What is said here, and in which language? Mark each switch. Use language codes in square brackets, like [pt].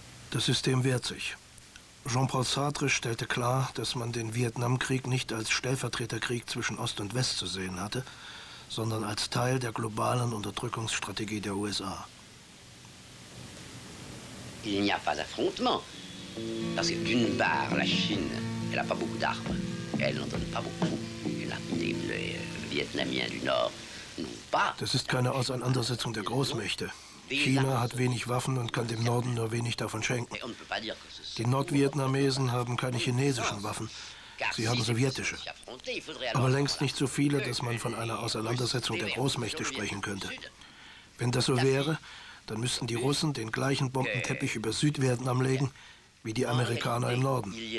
[de] Das System wehrt sich. Jean-Paul Sartre stellte klar, dass man den Vietnamkrieg nicht als Stellvertreterkrieg zwischen Ost und West zu sehen hatte, sondern als Teil der globalen Unterdrückungsstrategie der USA. [fr] Il n'y a pas d'affrontement, parce que d'une part la Chine, elle a pas beaucoup d'armes, elle n'en donne pas beaucoup, et là les Vietnamiens du Nord n'ont pas. [de] Das ist keine Auseinandersetzung der Großmächte. China hat wenig Waffen und kann dem Norden nur wenig davon schenken. Die Nordvietnamesen haben keine chinesischen Waffen, sie haben sowjetische. Aber längst nicht so viele, dass man von einer Auseinandersetzung der Großmächte sprechen könnte. Wenn das so wäre, dann müssten die Russen den gleichen Bombenteppich über Südvietnam legen wie die Amerikaner im Norden.